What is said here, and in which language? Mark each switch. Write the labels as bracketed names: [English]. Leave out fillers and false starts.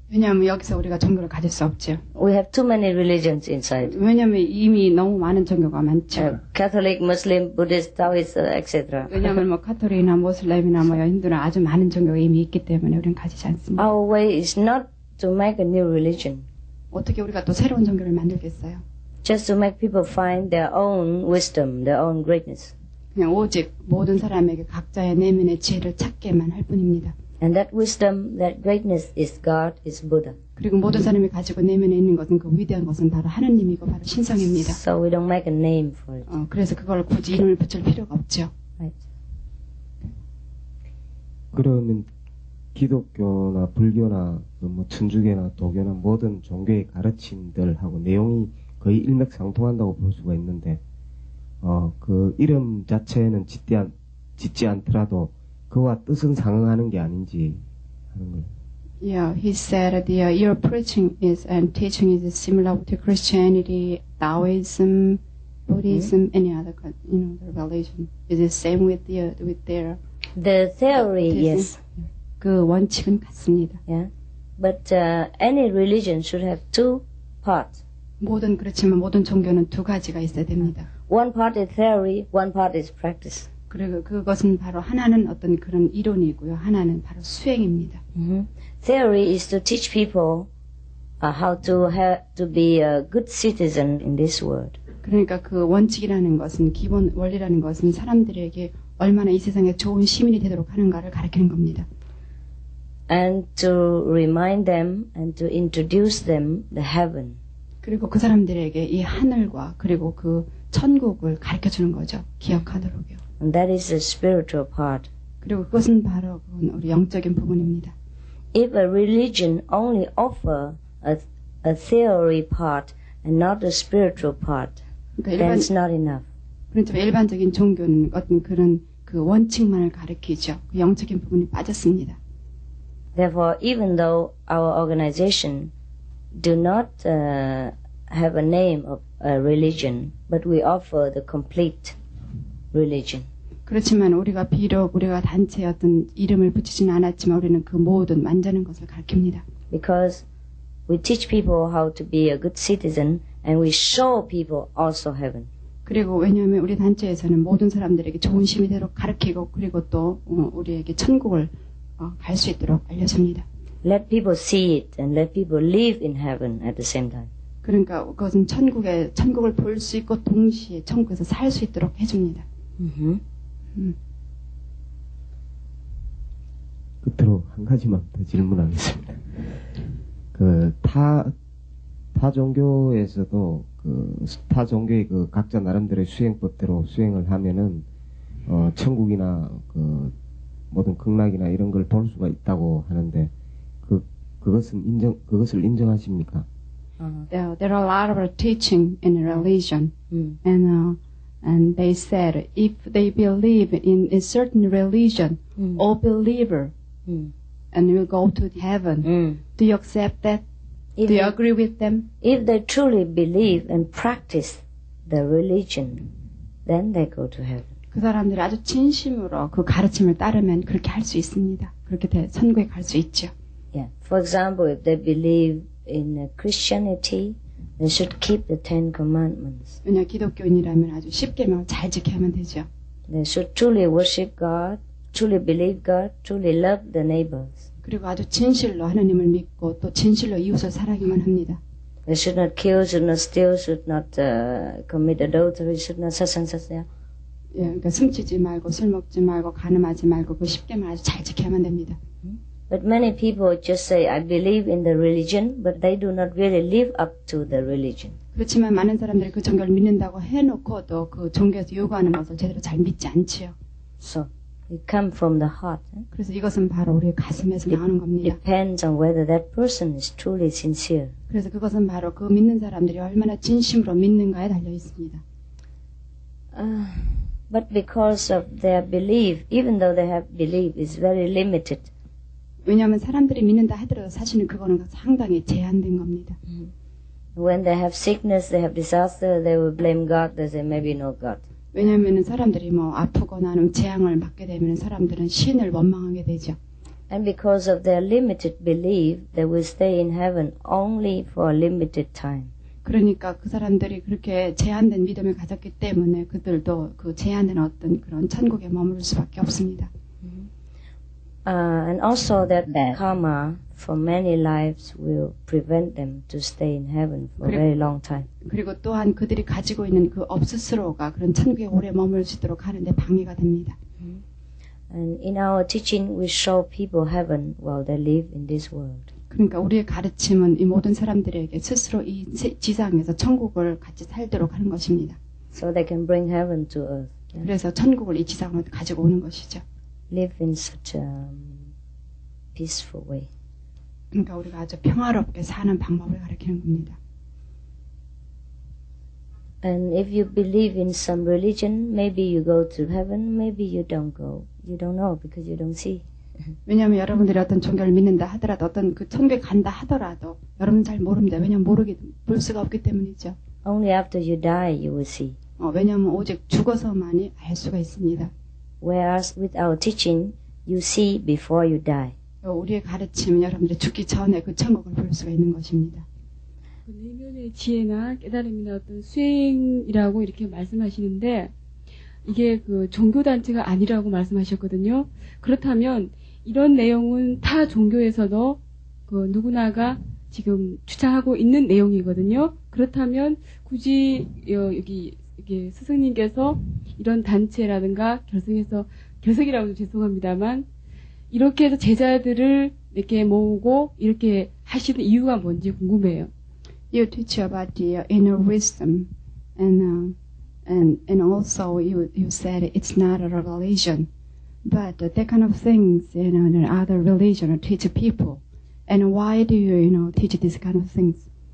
[Korean] 왜냐하면 여기서 우리가 종교를 가질 수 없죠. [English] We have too many religions inside. [Korean] 왜냐하면 이미 너무 많은 종교가 많죠. [English] Catholic, Muslim, Buddhist, Taoist, etc. [Korean] 왜냐하면 뭐 카톨릭이나 무슬림이나 뭐 인도나 아주 많은 종교가 이미 있기 때문에 우리는 가지지 않습니다. [English] Our way is not to make a new religion. [Korean] 어떻게 우리가 또 새로운 종교를 만들겠어요? [English] Just to make people find their own wisdom, their own greatness. [Korean] 그냥 오직 모든 사람에게 각자의 내면의 지혜를 찾게만 할 뿐입니다. [English] And that wisdom, that greatness is God, is Buddha. [Korean] 그리고 모든 사람이 가지고 내면에 있는 것은 그 위대한 것은 바로 하느님이고 바로 신성입니다. [English] So we don't make a name for it. [Korean] 그래서 그걸 굳이 이름을 붙일 필요가 없죠. [English] Right. [Korean] 그러면 기독교나 불교나 뭐 천주교나 도교나 모든 종교의 가르침들하고 내용이 거의 일맥상통한다고 볼 수가 있는데, 그 이름 자체는 짓지 않더라도 그와 뜻은 상응하는 게 아닌지 하는 거예요. [English] Yeah, he said that your preaching is and teaching is similar to Christianity, Taoism, Buddhism, mm-hmm. any other kind, you know, the religion. Is it same with their the theory? Teaching? Yes. [Korean] 그 원칙은 같습니다. [English] Yeah. But any religion should have two parts. [Korean] 모든 그렇지만 모든 종교는 두 가지가 있어야 됩니다. [English] One part is theory, one part is practice. [Korean] 그리고 그것은 바로 하나는 어떤 그런 이론이고요. 하나는 바로 수행입니다. [English] Theory is to teach people how to have to be a good citizen in this world. [Korean] 그러니까 그 원칙이라는 것은 기본 원리라는 것은 사람들에게 얼마나 이 세상에 좋은 시민이 되도록 하는가를 가르치는 겁니다. [English] And to remind them and to introduce them the heaven. [Korean] 그리고 그 사람들에게 이 하늘과 그리고 그 천국을 가르쳐 주는 거죠. 기억하도록요. [English] And that is the spiritual part. [Korean] 그리고 그것은 바로 우리 영적인 부분입니다. [English] If a religion only offer a theory part and not a spiritual part, [Korean] 그러니까 [English] then it's not enough. [Korean] 그렇죠. 일반적인 종교는 어떤 그런 그 원칙만을 가르치죠. 그 영적인 부분이 빠졌습니다. [English] Therefore, even though our organization do not have a name of a religion, but we offer the complete religion. [Korean] 그렇지만 우리가 비록 우리가 단체 어떤 이름을 붙이진 않았지만 우리는 그 모든 완전한 것을 가르칩니다. [English] Because we teach people how to be a good citizen, and we show people also heaven. [Korean] 그리고 왜냐하면 우리 단체에서는 모든 사람들에게 좋은 시민이 되도록 가르치고 그리고 또 우리에게 천국을 갈 수 있도록 알려줍니다. [English] Let people see it and let people live in heaven at the same time. [Korean] 그러니까 그것은 천국에 천국을 볼 수 있고 동시에 천국에서 살 수 있도록 해줍니다. 끝으로 한 가지만 더 질문하겠습니다. 그 타 종교에서도 그 타 종교의 그 각자 나름대로의 수행법대로 수행을 하면은 천국이나 그 모든 극락이나 이런 걸 볼 수가 있다고 하는데. 그것을 인정하십니까? [English] There are a lot of teaching in religion, and they said if they believe in a certain religion, all believer, and will go to heaven. Do you accept that? Do you agree with them? If they truly believe and practice the religion, then they go to heaven. [Korean] 그 사람들이 아주 진심으로 그 가르침을 따르면 그렇게 할 수 있습니다. 그렇게 돼 천국에 갈 수 있죠. [English] Yeah. For example, if they believe in Christianity, they should keep the Ten Commandments. [Korean] 그냥 기독교인이라면 아주 10계명을 잘 지켜야만 되죠. [English] They should truly worship God, truly believe God, truly love the neighbors. [Korean] 그리고 아주 진실로 하느님을 믿고 또 진실로 이웃을 사랑해야만 합니다. [English] We should not kill, should not steal, should not commit adultery, should not 사상사상. [Korean] 예, 그러니까 숨지지 말고 술 먹지 말고 가늠하지 말고 그 쉽게 말해서 잘 지켜야만 됩니다. [English] But many people just say I believe in the religion, but they do not really live up to the religion. [Korean] 그렇지만 많은 사람들이 그 종교를 믿는다고 해놓고도 그 종교에서 요구하는 것을 제대로 잘 믿지 않지요. [English] So it comes from the heart. [Korean] 그래서 이것은 바로 우리 가슴에서 나오는 겁니다. [English] Depends on whether that person is truly sincere. [Korean] 그래서 그것은 바로 그 믿는 사람들이 얼마나 진심으로 믿는가에 달려 있습니다. [English] But because of their belief, even though they have belief, is very limited. [Korean] 왜냐하면 사람들이 믿는다 하더라도 사실은 그거는 상당히 제한된 겁니다. [English] When they have sickness, they have disaster, they will blame God. They say maybe no God. [Korean] 왜냐하면 사람들이 뭐 아프거나 하는 재앙을 맞게 되면 사람들은 신을 원망하게 되죠. [English] And because of their limited belief, they will stay in heaven only for a limited time. [Korean] 그러니까 그 사람들이 그렇게 제한된 믿음을 가졌기 때문에 그들도 그 제한된 어떤 그런 천국에 머무를 수밖에 없습니다. [English] And also that karma for many lives will prevent them to stay in heaven for a very long time. [Korean] 그리고 또한 그들이 가지고 있는 그 업스스로가 그런 천국에 오래 머물 수 있도록 하는데 방해가 됩니다. [English] And in our teaching, we show people heaven while they live in this world. [Korean] 그러니까 우리의 가르침은 이 모든 사람들에게 스스로 이 지상에서 천국을 같이 살도록 하는 것입니다. [English] So they can bring heaven to earth. [Korean] 그래서 천국을 이 지상으로 가지고 오는 것이죠. [English] Live in such a peaceful way. [Korean] 그러니까 우리가 아주 평화롭게 사는 방법을 가르치는 겁니다. [English] And if you believe in some religion, maybe you go to heaven, maybe you don't go. You don't know because you don't see. [Korean] 왜냐하면 여러분들이 어떤 종교를 믿는다 하더라도 어떤 그 천국에 간다 하더라도 여러분 잘 모릅니다. 왜냐하면 모르게 볼 수가 없기 때문이죠. [English] Only after you die you will see. [Korean] 왜냐하면 오직 죽어서만이 알 수가 있습니다. [English] Whereas with our teaching, you see before you die. [Korean] 우리의 가르침은 여러분들이 죽기 전에 그 천국을 볼 수가 있는 것입니다. 그 내면의 지혜나 깨달음이나 어떤 수행이라고 이렇게 말씀하시는데 이게 그 종교단체가 아니라고 말씀하셨거든요. 그렇다면 이런 내용은 타 종교에서도 그 누구나가 지금 주장하고 있는 내용이거든요. 그렇다면 굳이 여기 이게 스승님께서 이런 단체라든가 결성해서 결석이라고 해서 죄송합니다만 이렇게 해서 제자들을 이렇게 모으고 이렇게 하시는 이유가 뭔지 궁금해요. [English] You teach about the inner wisdom and also you said it's not a revelation, but that kind of things you know other religion teach people, and why do you know teach this kind of things?